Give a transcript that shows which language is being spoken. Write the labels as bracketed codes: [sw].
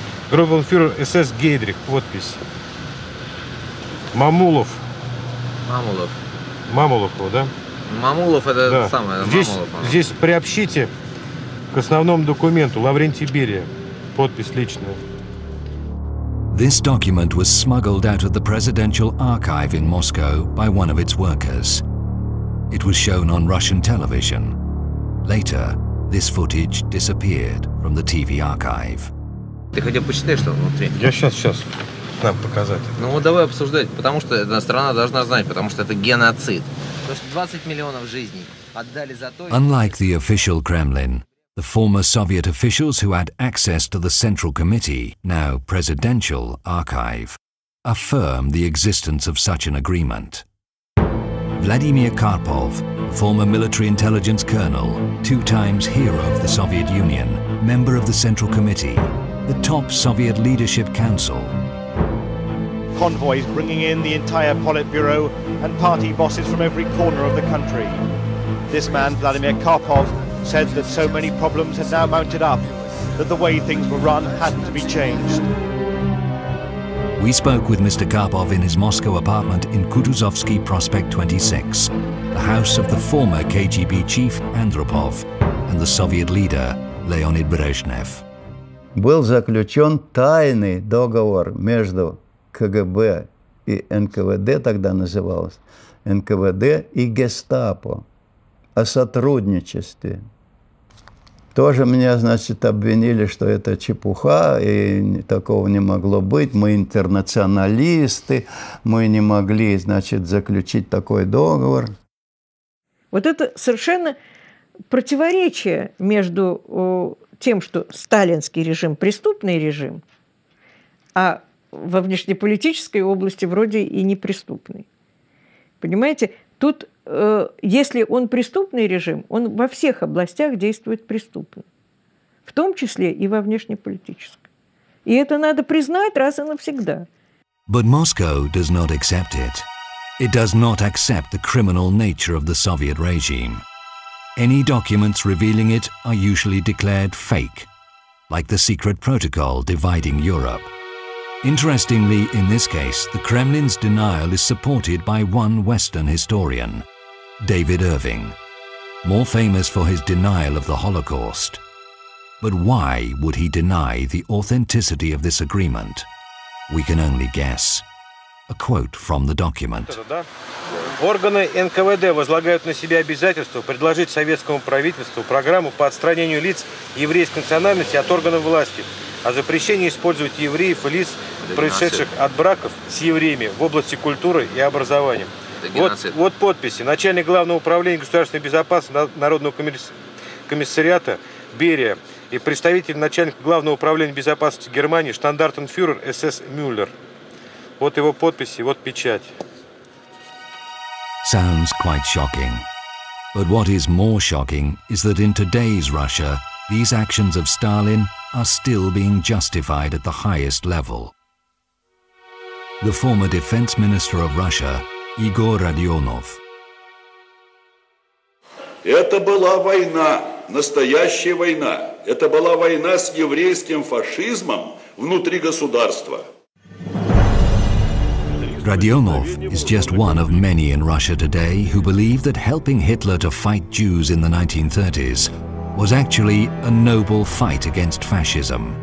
[ru] Группенфюрер СС Гейдрих, подпись. Мамулов. Мамулов. Мамулов, да? Мамулов это да. Самое. Здесь, Мамулов, здесь приобщите к основному документу Лаврентий Берия. Подпись личная. [en] This document was smuggled out of the presidential archive in Moscow by one of its workers. It was shown on Russian television. Later, this footage disappeared from the TV archive. [ru] Ты хотя бы почитай, что внутри. Я сейчас. Нам показать. Ну вот давай обсуждать, потому что страна должна знать, потому что это геноцид. То есть 20 миллионов жизней отдали за то... [en] Unlike the official Kremlin, the former Soviet officials who had access to the Central Committee, now presidential, archive, affirm the existence of such an agreement. Vladimir Karpov, former military intelligence colonel, two times hero of the Soviet Union, member of the Central Committee, the top Soviet leadership council, convoys bringing in the entire Politburo and party bosses from every corner of the country. This man, Vladimir Karpov, said that so many problems had now mounted up that the way things were run had to be changed. We spoke with Mr. Karpov in his Moscow apartment in Kutuzovsky Prospect 26, the house of the former KGB chief Andropov, and the Soviet leader, Леонид Брежнев. [ru] Был заключен тайный договор между КГБ и НКВД, тогда называлось, НКВД и Гестапо о сотрудничестве. Тоже меня, значит, обвинили, что это чепуха, и такого не могло быть. Мы интернационалисты, мы не могли, значит, заключить такой договор. Вот это совершенно противоречие между тем, что сталинский режим – преступный режим, а во внешнеполитической области вроде и неприступный. Понимаете, тут... Если он преступный режим, он во всех областях действует преступно, в том числе и во внешнеполитической. И это надо признать раз и навсегда. [en] But Moscow does not accept it. It does not accept the criminal nature of the Soviet regime. Any documents revealing it are usually declared fake, like the secret protocol dividing Europe. Interestingly, in this case, the Kremlin's denial is supported by one Western historian. David Irving, more famous for his denial of the Holocaust. But why would he deny the authenticity of this agreement? We can only guess. A quote from the document. [ru] Органы НКВД возлагают на себя обязательство предложить советскому правительству программу по отстранению лиц еврейской национальности от органов власти, о запрещении использовать евреев и лиц, происшедших от браков с евреями в области культуры и образования. Вот подписи. Начальник Главного управления государственной безопасности Народного комиссариата Берия и представитель начальника Главного управления безопасности Германии штандартенфюрер СС Мюллер. Вот его подписи, вот печать. [en] Sounds quite shocking. But what is more shocking is that in today's Russia, these actions of Stalin are still being justified at the highest level. The former defense minister of Russia, Егор Родионов. [ru] Это была война, настоящая война. Это была война с еврейским фашизмом внутри государства. [en] Родионов is just one of many in Russia today who believe that helping Hitler to fight Jews in the 1930s was actually a noble fight against fascism.